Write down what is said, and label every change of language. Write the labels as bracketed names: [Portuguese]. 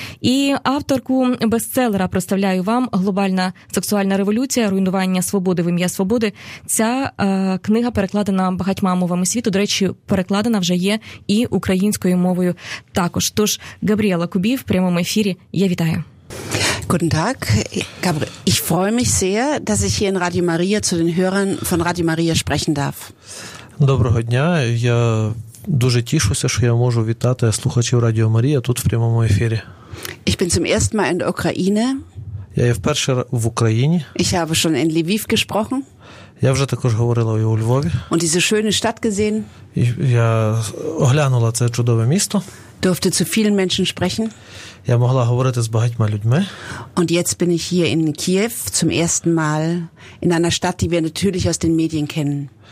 [Ukrainian] І авторку бестселера представляю вам «Глобальна сексуальна революція. Руйнування свободи в ім'я свободи». Ця книга перекладена багатьма мовами світу. До речі, перекладена вже є і українською мовою також. Тож, Габріела Кубіх в прямому ефірі. Я вітаю. [German] Guten Tag, ich freue mich sehr, dass ich hier in Radio Maria zu den Hörern von Radio Maria sprechen darf. [Ukrainian] Доброго дня, я дуже тішуся, що я можу вітати слухачів Радіо Марія тут в прямому ефірі. [German] Ich bin zum ersten Mal in der Ukraine. [Ukrainian] Я є вперше в Україні. [German] Ich habe schon in Lviv gesprochen. [Ukrainian] Я вже також говорила у Львові. [German] Und diese schöne Stadt gesehen. [Ukrainian] Я оглянула це чудове місто. [German] Durfte zu vielen Menschen sprechen. [Ukrainian] Я могла говорити з багатьма людьми. [German] Und jetzt bin ich hier in Kiew zum ersten Mal in einer Stadt, die wir natürlich aus den Medien kennen.